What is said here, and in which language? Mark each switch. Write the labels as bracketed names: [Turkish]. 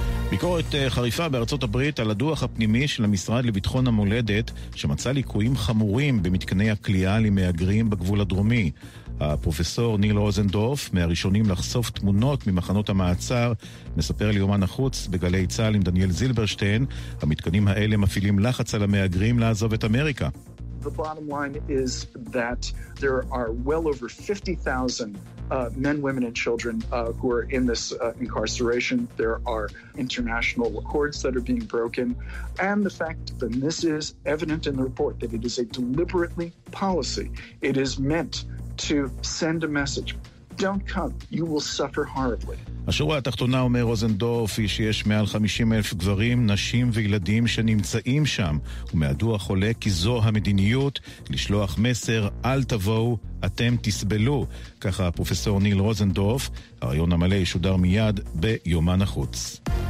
[Hebrew] ביקורת חריפה בארצות הברית על הדוח הפנימי של המשרד לביטחון המולדת שמצא ליקויים חמורים במתקני הכליאה למאגרים בגבול הדרומי. הפרופסור ניל רוזנדורף, מהראשונים לחשוף תמונות ממחנות המעצר, מספר ליומן החוץ בגלי צהל עם דניאל זילברשטיין, המתקנים האלה מפעילים לחץ על המאגרים לעזוב את אמריקה. [English] The bottom line is that there are well over 50,000 men, women, and children who are in this incarceration. There are international records that are being broken. And the fact that this is evident in the report, that it is a deliberately policy. It is meant to send a message. Don't come. You will suffer horribly. [Hebrew] השורה התחתונה, אומר רוזנדורף, היא שיש מעל 50 אלף גברים, נשים וילדים שנמצאים שם, ומהדוח עולה כי זו המדיניות, לשלוח מסר, אל תבואו, אתם תסבלו. ככה פרופסור ניל רוזנדורף, הרעיון המלא ישודר מיד ביומן החוץ.